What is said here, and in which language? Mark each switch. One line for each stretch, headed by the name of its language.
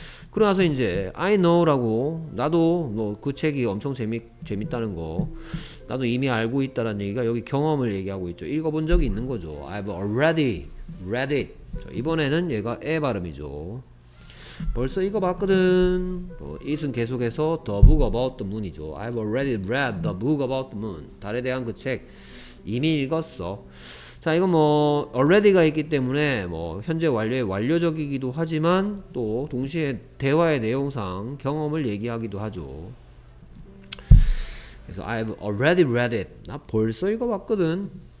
Korean: 그러고 나서 이제 I know라고 나도 뭐그 책이 엄청 재밌다는 거 나도 이미 알고 있다라는 얘기가 여기 경험을 얘기하고 있죠. 읽어본 적이 있는 거죠.
English: I've already read it.
Korean: 이번에는 얘가 에 발음이죠. 벌써 읽어봤거든. 뭐, it은 계속해서
English: The Book About the Moon
Korean: 이죠.
English: I've already read The Book About the Moon.
Korean: 달에 대한 그책 이미 읽었어. 자, 이거 뭐 already가 있기 때문에 뭐 현재 완료의 완료적이기도 하지만 또 동시에 대화의 내용상 경험을 얘기하기도 하죠. 그래서
English: I've already read it.
Korean: 나 벌써 읽어봤거든.